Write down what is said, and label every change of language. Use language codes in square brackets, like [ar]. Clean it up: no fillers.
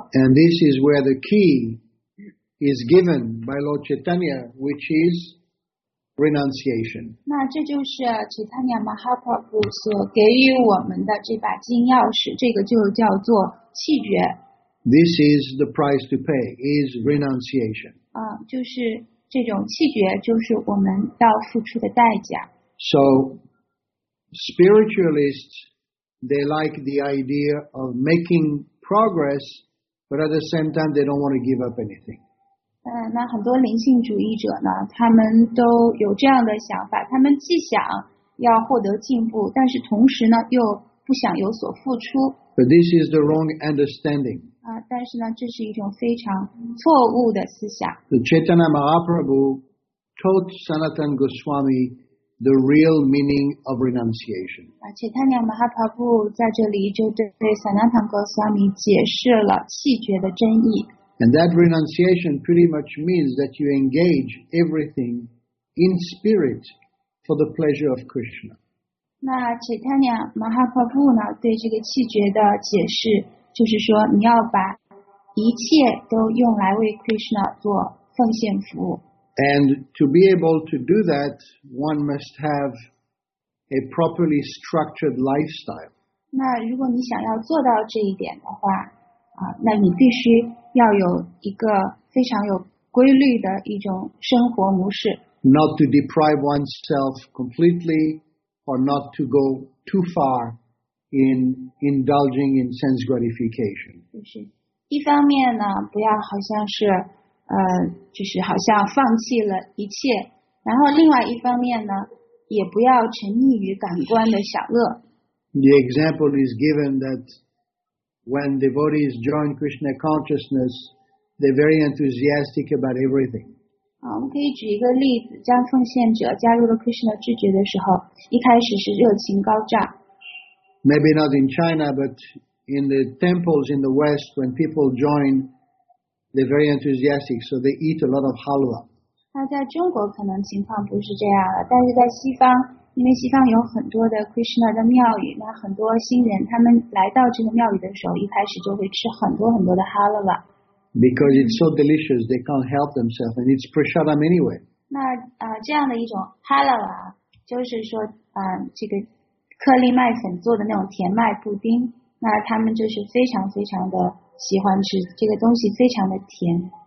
[en] And this is where the key is given by Lord Chaitanya, which is. Renunciation. [zh] 那这就是 Chaitanya Mahaprabhu 所给予我们的这把金钥匙，这个就叫做弃绝。 [en] This is the price to pay, is renunciation. [zh] 就是这种弃绝，就是我们要付出的代价。 [en] So, spiritualists, they like the idea of making progress, but at the same time, they don't want to give up anything. [zh] 那很多灵性主义者呢，他们都有这样的想法，他们既想要获得进步，但是同时呢，又不想有所付出。 [en] But this is the wrong understanding. [zh] 但是呢，这是一种非常错误的思想。 [en] The Chaitanya Mahaprabhu taught Sanatana Goswami the real meaning of renunciation. [zh] Chaitanya Mahaprabhu 在这里就对 Sanatana Goswami 解释了弃绝的真意。 [en] And that renunciation pretty much means that you engage everything in spirit for the pleasure of Krishna. [zh] 那 Chaitanya Mahaprabhu 呢，对这个弃绝的解释就是说，你要把一切都用来为 Krishna 做奉献服务。 [en] And to be able to do that, one must have a properly structured lifestyle. [zh] 那如果你想要做到这一点的话。那你必须要有一个非常有规律的一种生活模式。 [en] Not to deprive oneself completely or not to go too far in indulging in sense gratification. [zh] 就是一方面呢，不要好像是就是好像放弃了一切，然后另外一方面呢，也不要沉溺于感官的享乐。 [en] The example is given that when devotees join Krishna consciousness, they're very enthusiastic about everything. [zh] 我们可以举一个例子，将奉献者加入了 Krishna 知觉的时候，一开始是热情高涨。 [en] Maybe not in China, but in the temples in the West, when people join, they're very enthusiastic, so they eat a lot of halwa. [zh] 那在中国可能情况不是这样了，但是在西方。因为西方有很多的 Krishna 的庙宇，那很多新人他们来到这个庙宇的时候，一开始就会吃很多很多的 halwa。 [en] Because it's so delicious, they can't help themselves, and it's prasadam anyway. [zh] 那这样的一种 halwa， 就是说这个颗粒麦粉做的那种甜麦布丁，那他们就是非常非常的喜欢吃这个东西，非常的甜。